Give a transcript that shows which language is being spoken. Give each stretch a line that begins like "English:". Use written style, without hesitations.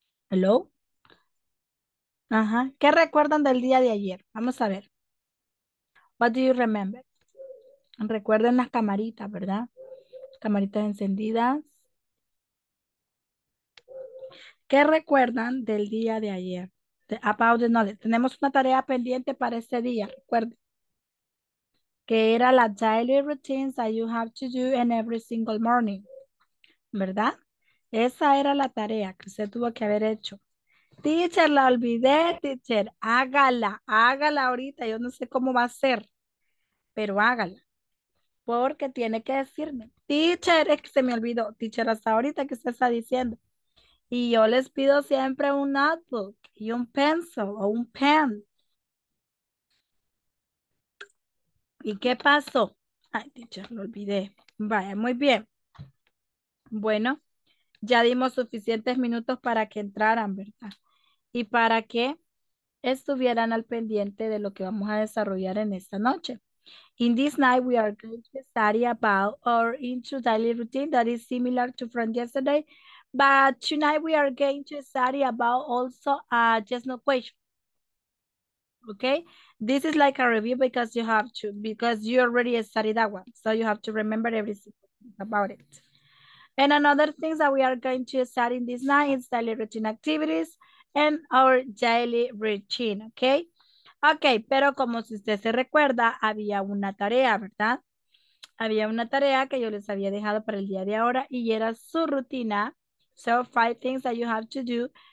English: Hello.
Spanish: Ajá. ¿Qué recuerdan del día de ayer? Vamos a ver.
English: What do you remember?
Spanish: Recuerden las camaritas, ¿verdad? Camaritas encendidas. ¿Qué recuerdan del día de ayer?
English: About the knowledge.
Spanish: Tenemos una tarea pendiente para este día, recuerden. Que era la
English: daily routines that you have to do in every single morning.
Spanish: ¿Verdad? Esa era la tarea que usted tuvo que haber hecho. Teacher, la olvidé, teacher. Hágala, hágala ahorita. Yo no sé cómo va a ser, pero hágala. Porque tiene que decirme. Teacher, es que se me olvidó. Teacher, hasta ahorita que usted está diciendo. Y yo les pido siempre un notebook y un pencil o un pen. ¿Y qué pasó? Ay, teacher, lo olvidé. Vaya, muy bien. Bueno, ya dimos suficientes minutos para que entraran, ¿verdad? Y para que estuvieran al pendiente de lo que vamos a desarrollar en esta noche.
English: In this night, we are going to study about our intro daily routine that is similar to from yesterday. But tonight, we are going to study about also a just no question. Okay, this is like a review because you already studied that one, so you have to remember everything about it. And another thing that we are going to study this night is daily routine activities and our daily routine.
Spanish: Okay, okay, pero como si usted se recuerda, había una tarea, ¿verdad? Había una tarea que yo les había dejado para el día de ahora y era su rutina.
English: So, five things that you have to do.